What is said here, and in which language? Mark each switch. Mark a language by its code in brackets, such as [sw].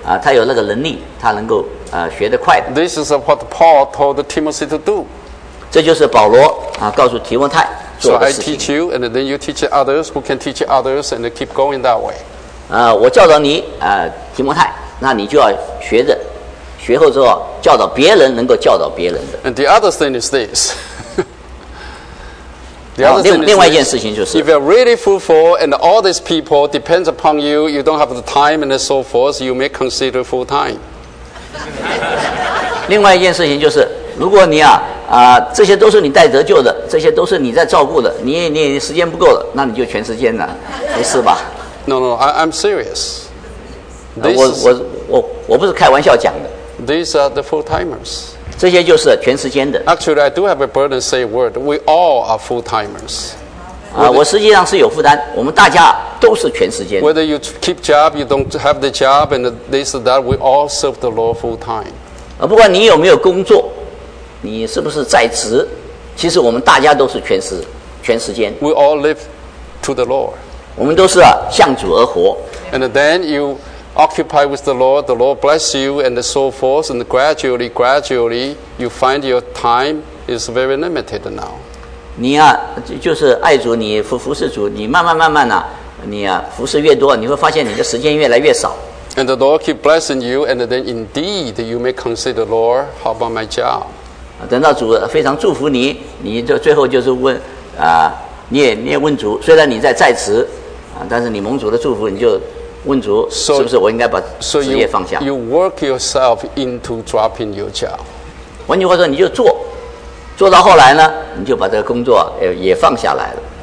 [zh] 所以你就需要选呐，他能够做这个助教，他能够他有那个能力，他能够。学得快的。 [en] This is what Paul told Timothy to do. [zh] 这就是保罗告诉提摩太做的事情。 [en] So I teach you, and then you teach others who can teach others, and keep going that way. [zh] 我教导你，提摩太，那你就要学着，学后之后教导别人，能够教导别人的。 [en] And the other thing is this. [zh] 另外一件事情就是， [en] if you're really fruitful and all these people depends upon you, you don't have the time and so forth, you may consider full time. [zh] 另外一件事情就是，如果你啊啊，这些都是你带得救的，这些都是你在照顾的。你时间不够了，那你就全时间了，不是吧 [en] ？No, I'm serious. [zh] 我不是开玩笑讲的。 [en] These are the full timers. [zh] 这些就是全时间的。 [en] Actually, I do have a burden to say a word. We all are full timers. [zh] 啊，我实际上是有负担，我们大家都是全时间的。 [en] Whether you keep job, you don't have the job, and this or that, we all serve the Lord full time. [zh] 啊，不管你有没有工作。你是不是在职？其实我们大家都是全时间。 [en] We all live to the Lord. [zh] 我们都是、啊、向主而活。 [en] And then you occupy with the Lord bless you, and so forth. And gradually, you find your time is very limited now. [zh] 你啊，就是爱主，你服侍主，你慢慢呢、啊，你啊服侍越多，你会发现你的时间越来越少。 [en] And the Lord keep blessing you, and then indeed you may consider the Lord, how about my job? [zh] 等到主非常祝福你，你就最后就是问，啊，你也问主，虽然你在职，啊，但是你蒙主的祝福，你就问主，是不是我应该把职业放下 [en] ？So you work yourself into dropping your job. [zh] 换句话说，你就做到后来呢，你就把这个工作也放下来了。